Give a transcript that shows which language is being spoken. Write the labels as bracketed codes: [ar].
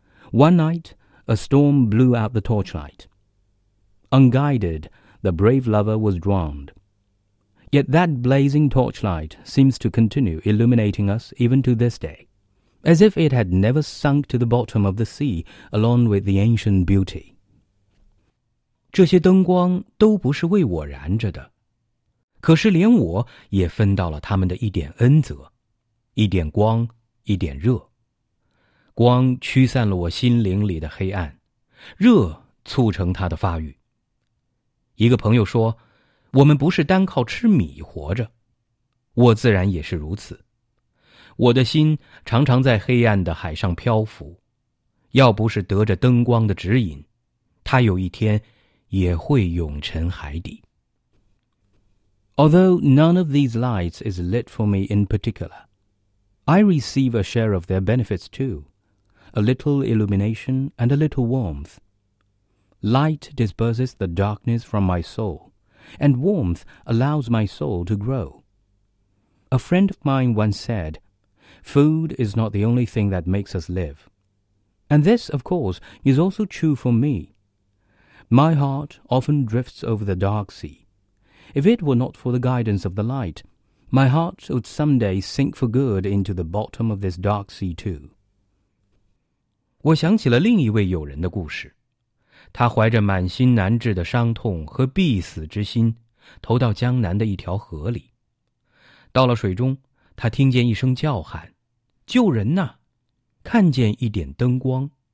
[en] One night, a storm blew out the torchlight. Unguided, the brave lover was drowned. Yet that blazing torchlight seems to continue illuminating us even to this day, as if it had never sunk to the bottom of the sea along with the ancient beauty. [zh] 这些灯光都不是为我燃着的。可是连我也分到了他们的一点恩泽，一点光，一点热。光驱散了我心灵里的黑暗，热促成它的发育。一个朋友说，我们不是单靠吃米活着，我自然也是如此。我的心常常在黑暗的海上漂浮，要不是得着灯光的指引，它有一天也会永沉海底。 [en] Although none of these lights is lit for me in particular, I receive a share of their benefits too, a little illumination and a little warmth. Light disperses the darkness from my soul, and warmth allows my soul to grow. A friend of mine once said, "Food is not the only thing that makes us live." And this, of course, is also true for me. My heart often drifts over the dark sea. If it were not for the guidance of the light, my heart would someday sink for good into the bottom of this dark sea too. [zh] 我想起了另一位友人的故事，他怀着满心难治的伤痛和必死之心，投到江南的一条河里。到了水中，他听见一声叫喊，救人呐，看见一点灯光。